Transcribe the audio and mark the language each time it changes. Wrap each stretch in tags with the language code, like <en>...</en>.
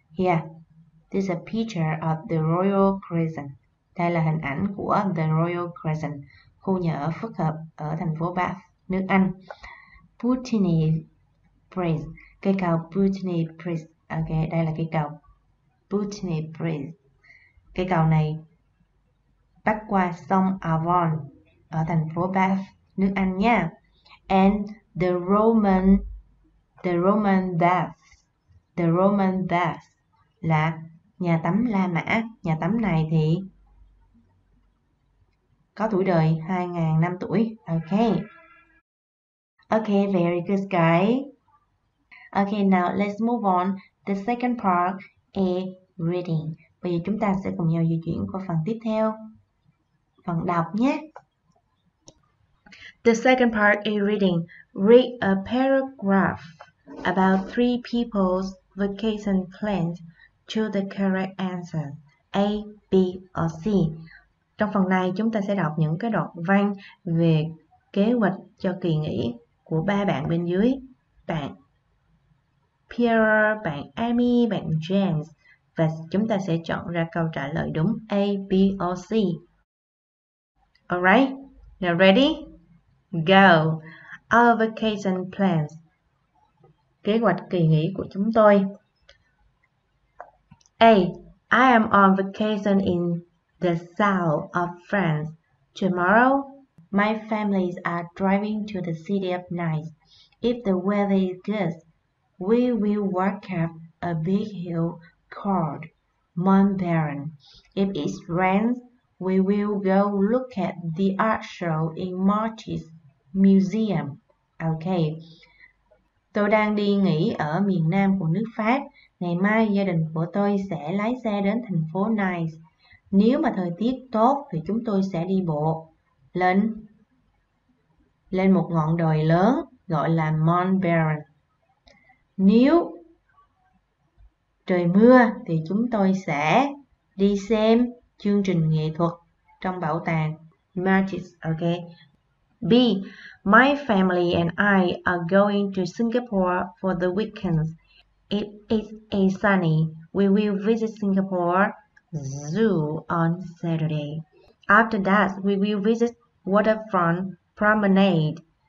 <en>Here, this is a picture of the Royal Crescent.</en> <vi>Đây là hình ảnh của the Royal Crescent, khu nhà ở phức hợp ở thành phố Bath, nước Anh. Putney Bridge, cây cầu Putney Bridge. Okay, đây là cây cầu Putney Bridge. Cây cầu này bắc qua sông Avon ở thành phố Bath, nước Anh nha. And the Roman Bath là nhà tắm La Mã. Nhà tắm này thì có tuổi đời 2000 năm tuổi. Okay.</vi> <en>Okay, very good guys. Okay, now let's move on.</en> <vi>The second part is reading. Bây giờ chúng ta sẽ cùng nhau di chuyển qua phần tiếp theo. phần đọc nhé.</vi> <en>The second part is reading. Read a paragraph about three people's vacation plans. Choose the correct answer. A, B or C.</en> <vi>Trong phần này chúng ta sẽ đọc những cái đoạn văn về kế hoạch cho kỳ nghỉ của ba bạn bên dưới. Bạn Pierre, bạn Amy, bạn James. Và chúng ta sẽ chọn ra câu trả lời đúng A, B or C.</vi> <en>Alright, now ready? Go! Our vacation plans.</en> <vi>Kế hoạch kỳ nghỉ của chúng tôi.</vi> <en>A. I am on vacation in the south of France. Tomorrow, my family are driving to the city of Nice. If the weather is good, we will walk up a big hill called Mont Blanc. If it rains, we will go look at the art show in Martyrs Museum. Okay.</en> <vi>Tôi đang đi nghỉ ở miền nam của nước Pháp. Ngày mai gia đình của tôi sẽ lái xe đến thành phố Nice. Nếu mà thời tiết tốt thì chúng tôi sẽ đi bộ lên một ngọn đồi lớn gọi là Mont Blanc. Nếu trời mưa thì chúng tôi sẽ đi xem chương trình nghệ thuật trong bảo tàng Matisse.</vi> <en>Okay. B. My family and I are going to Singapore for the weekend. If it is sunny, we will visit Singapore Zoo on Saturday. After that, we will visit Waterfront Promenade.</en>